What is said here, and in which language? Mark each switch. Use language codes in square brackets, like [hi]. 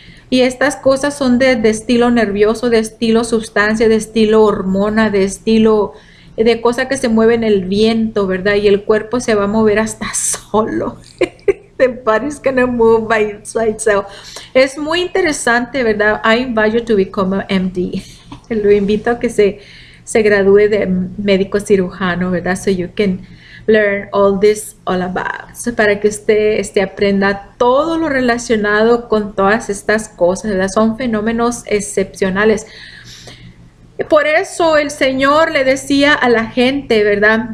[es] Y estas cosas son de estilo nervioso, de estilo sustancia, de estilo hormona, de estilo de cosa que se mueve en el viento, ¿verdad? Y el cuerpo se va a mover hasta solo. [en] The body's gonna move by itself. [es] Es muy interesante, ¿verdad? [en] I invite you to become an MD. [es] Lo invito a que se gradúe de médico cirujano, ¿verdad? [en] So you can learn all this all about. [es] So para que usted aprenda todo lo relacionado con todas estas cosas, ¿verdad? Son fenómenos excepcionales. Por eso el Señor le decía a la gente, ¿verdad?